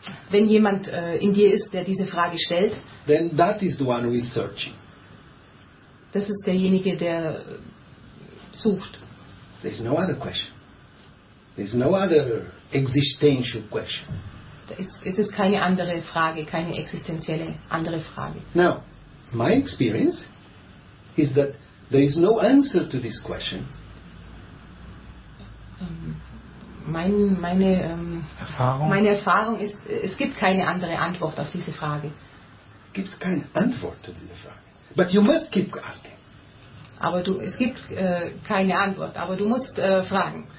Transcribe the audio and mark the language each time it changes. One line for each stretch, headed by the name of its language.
German: Wenn jemand in dir ist, der diese Frage stellt,
English: then that is the one who is searching.
German: Das ist derjenige, der sucht.
English: There is no other question. There is no other existential question.
German: Es ist keine andere Frage, keine existenzielle andere Frage.
English: Now, my experience is that there is no answer to this question.
German: Meine Erfahrung ist, es gibt keine andere Antwort auf diese Frage. Gibt es keine Antwort zu dieser Frage?
English: But you must keep asking.
German: Aber es gibt keine Antwort, aber du musst fragen.